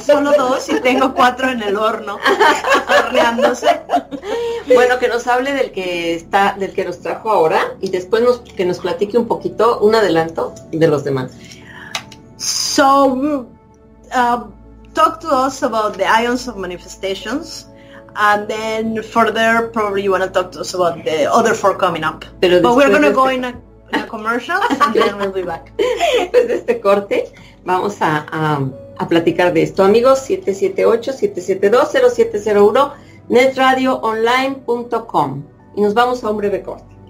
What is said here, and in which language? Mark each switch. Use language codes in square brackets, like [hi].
[es] Solo dos y tengo cuatro en el horno, horneándose. Bueno, que nos hable del que nos trajo ahora y después que nos platique un poquito, un adelanto de los demás. [en] So, talk to us about the Ions of Manifestations. And then further, probably you want to talk to us about the other four coming up. But we're going to go in a la commercial and then we'll be back. [es] Después de este corte, vamos a platicar de esto. Amigos, 778-772-0701, netradioonline.com. Y nos vamos a un breve corte.